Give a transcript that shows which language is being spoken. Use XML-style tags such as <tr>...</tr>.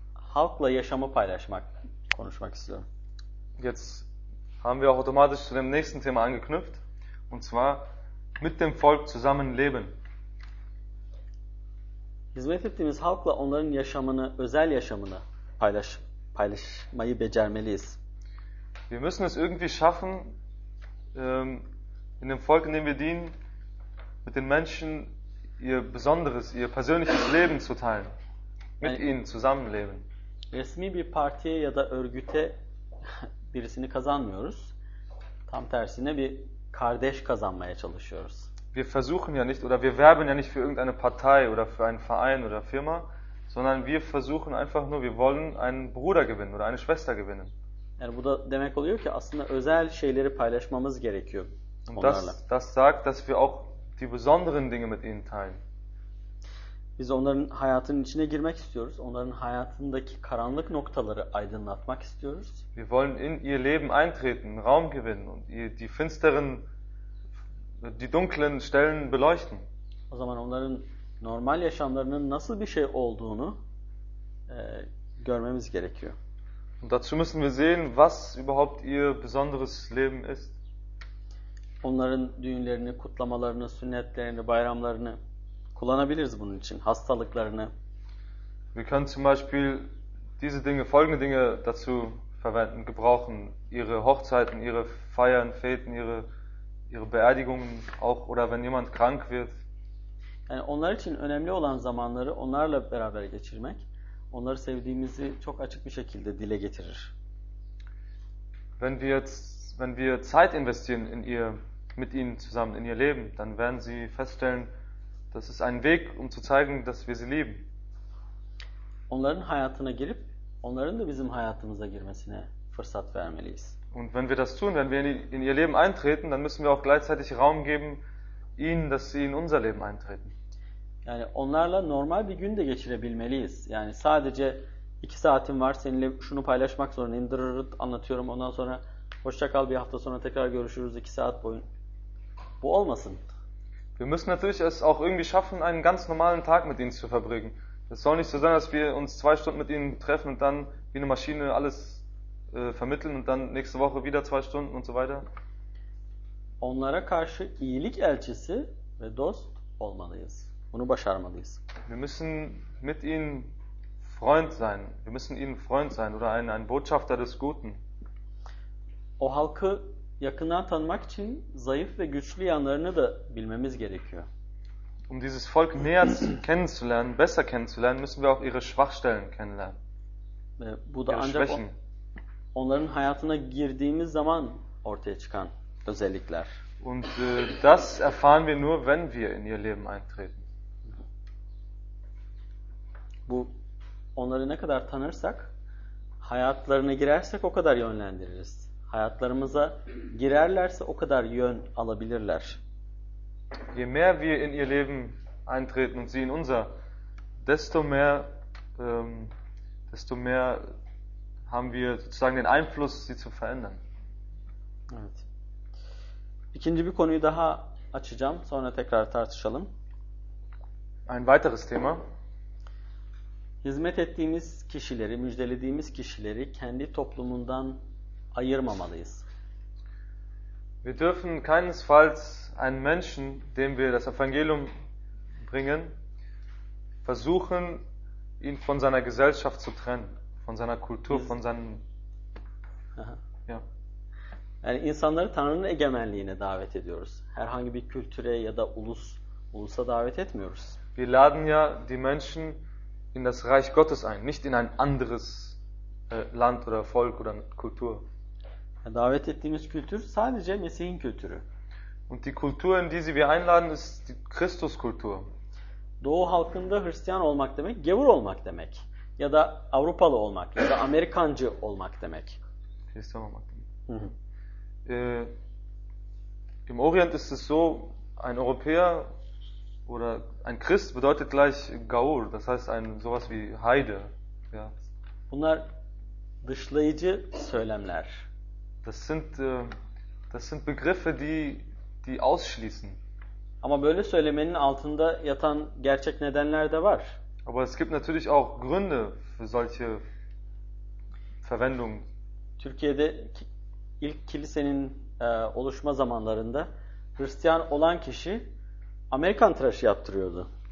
<tr>Halkla yaşamı konuşmak istiyorum.</tr> <de>Jetzt haben wir auch automatisch zu dem nächsten Thema angeknüpft und zwar mit dem Volk zusammen leben.</de> <tr>Hizmet ettiğimiz halkla onların yaşamını, özel yaşamını paylaşmayı becermeliyiz.</tr> <de>Wir müssen es irgendwie schaffen, in dem Volk, in dem wir dienen, mit den Menschen ihr besonderes, ihr persönliches Leben zu teilen, mit</de> <tr>yani,</tr> <de>ihnen zusammenleben.</de> <tr>Resmi bir partiye ya da örgüte birisini kazanmıyoruz. Tam tersine bir kardeş kazanmaya çalışıyoruz.</tr> <de>Wir versuchen ja nicht oder wir werben ja nicht für irgendeine Partei oder für einen Verein oder Firma, sondern wir versuchen einfach nur, wir wollen einen Bruder gewinnen oder eine Schwester gewinnen.</de> <tr>Yani bu da demek oluyor ki aslında özel şeyleri paylaşmamız gerekiyor onlarla.</tr> <de>Das sagt, dass wir auch die besonderen Dinge mit ihnen teilen.</de> <tr>Biz onların hayatının içine girmek istiyoruz. Onların hayatındaki karanlık noktaları aydınlatmak istiyoruz.</tr> <de>Wir wollen in ihr Leben eintreten, Raum gewinnen und ihr die finsteren, die dunklen Stellen beleuchten.</de> <tr>O zaman onların normal yaşamlarının nasıl bir şey olduğunu görmemiz gerekiyor.</tr> <de>Und dazu müssen wir sehen, was überhaupt ihr besonderes Leben ist.</de> <tr>Onların düğünlerini, kutlamalarını, sünnetlerini, bayramlarını kullanabiliriz bunun için, hastalıklarını.</tr> <de>Wir können zum Beispiel diese Dinge, folgende Dinge dazu verwenden, gebrauchen: ihre Hochzeiten, ihre Feiern, Feten, ihre Beerdigungen auch oder wenn jemand krank wird.</de> <tr>Yani onlar için önemli olan zamanları onlarla beraber geçirmek, onları sevdiğimizi çok açık bir şekilde dile getirir.</tr> <de>Wenn wir Zeit investieren in ihr, mit ihnen zusammen, in ihr Leben, dann werden sie feststellen, das ist ein Weg, um zu zeigen, dass wir sie lieben.</de> <tr>Onların hayatına girip, onların da bizim hayatımıza girmesine fırsat vermeliyiz.</tr> <de>Und wenn wir das tun, wenn wir in ihr Leben eintreten, dann müssen wir auch gleichzeitig Raum geben ihnen, dass sie in unser Leben eintreten.</de> <tr>Yani onlarla normal bir gün de geçirebilmeliyiz. Yani sadece iki saatim var, seninle şunu paylaşmak zorundayım, dırırırt anlatıyorum, ondan sonra hoşça kal, bir hafta sonra tekrar görüşürüz, iki saat boyunca. Bu olmasın.</tr> <de>Wir müssen natürlich es auch irgendwie schaffen, einen ganz normalen Tag mit ihnen zu verbringen. Es soll nicht so sein, dass wir uns zwei Stunden mit ihnen treffen und dann wie eine Maschine alles vermitteln und dann nächste Woche wieder zwei Stunden und so weiter.</de> <tr>Onlara karşı iyilik elçisi ve dost olmalıyız. Bunu başarmalıyız.</tr> <de>Wir müssen mit ihnen Freund sein. Wir müssen ihnen Freund sein oder ein Botschafter des Guten.</de> <tr>O halkı yakından tanımak için zayıf ve güçlü yanlarını da bilmemiz gerekiyor.</tr> <de>Um dieses Volk näher kennenzulernen, besser kennenzulernen, müssen wir auch ihre Schwachstellen kennenlernen.</de> <tr>Ve bu da</tr> <de>ihre</de> <tr>ancak onların hayatına girdiğimiz zaman ortaya çıkan özellikler.</tr> <de>Und das erfahren wir nur, wenn wir in ihr Leben eintreten.</de> <tr>Bu onları ne kadar tanırsak, hayatlarına girersek o kadar yönlendiririz. Hayatlarımıza girerlerse o kadar yön alabilirler.</tr> <de>Je mehr wir in ihr Leben eintreten und sie in unser, desto mehr haben wir sozusagen den Einfluss, sie zu verändern.</de> <tr>Evet. İkinci bir konuyu daha açacağım, sonra tekrar tartışalım.</tr> <de>Ein weiteres Thema.</de> <tr>Hizmet ettiğimiz kişileri, müjdelediğimiz kişileri kendi toplumundan ayırmamalıyız.</tr> <de>Wir dürfen keinesfalls einen Menschen, dem wir das Evangelium bringen, versuchen, ihn von seiner Gesellschaft zu trennen, von seiner Kultur, von seinem. Ja.</de> <tr>Yani insanları Tanrı'nın egemenliğine davet ediyoruz. Herhangi bir kültüre ya da ulusa davet etmiyoruz.</tr> <de>Wir laden ja die Menschen in das Reich Gottes ein, nicht in ein anderes Land oder Volk oder Kultur.</de> <tr>Davet ettiğimiz kültür sadece Mesih'in kültürü.</tr> <de>Und die Kultur, in die sie wir einladen, ist die Christus-Kultur.</de> <tr>Doğu halkında Hristiyan olmak demek, gavur olmak demek. Ya da Avrupalı olmak, ya da Amerikancı olmak demek. Hristiyan olmak demek.</tr> <de>Im Orient ist es so, ein Europäer oder ein Christ bedeutet gleich gavur. Das heißt sowas wie Heide. Ja.</de> <tr>Bunlar dışlayıcı söylemler.</tr> <de>Das sind Begriffe, die ausschließen.</de> <tr>Ama böyle söylemenin altında yatan gerçek nedenler de var.</tr> <de>Aber es gibt natürlich auch Gründe für solche Verwendung.</de> <tr>Türkiye'de ilk kilisenin oluşma zamanlarında Hristiyan olan kişi Amerikan tıraşı yaptırıyordu.</tr>